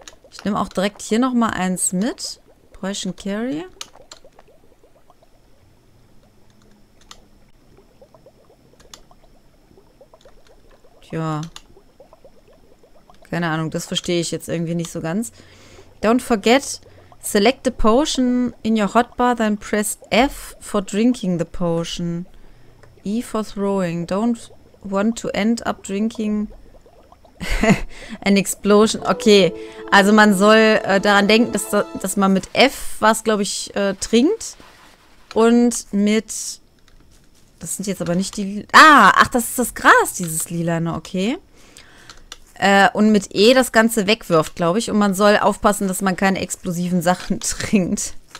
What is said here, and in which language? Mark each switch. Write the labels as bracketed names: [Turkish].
[German] Ich nehme auch direkt hier nochmal eins mit. Potion Carry. Tja. Keine Ahnung, das verstehe ich jetzt irgendwie nicht so ganz. [English] Don't forget, select the potion in your hotbar, then press F for drinking the potion. E for throwing. Don't want to end up drinking an explosion. [German] Okay, also man soll daran denken, dass man mit F was, glaube ich, trinkt. Und mit... Das sind jetzt aber nicht die... Ah, ach, das ist das Gras, dieses lilane, okay. Und mit E das Ganze wegwirft, glaube ich. Und man soll aufpassen, dass man keine explosiven Sachen trinkt.